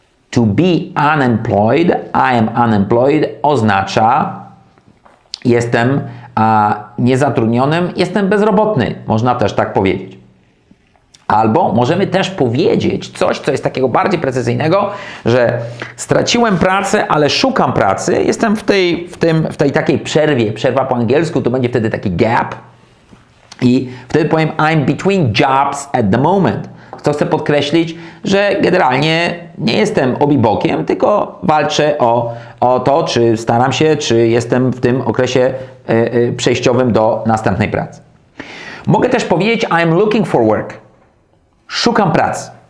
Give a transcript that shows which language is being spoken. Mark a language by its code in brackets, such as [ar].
[en] To be unemployed, I am unemployed [pl] oznacza jestem niezatrudnionym, jestem bezrobotny. Można też tak powiedzieć. Albo możemy też powiedzieć coś, co jest takiego bardziej precyzyjnego, że straciłem pracę, ale szukam pracy. Jestem w tej takiej przerwie. Przerwa po angielsku to będzie wtedy taki gap. I wtedy powiem [en] I'm between jobs at the moment. [pl] To chcę podkreślić, że generalnie nie jestem obibokiem, tylko walczę o to, czy staram się, czy jestem w tym okresie przejściowym do następnej pracy. Mogę też powiedzieć [en] I'm looking for work. [pl] Szukam pracy.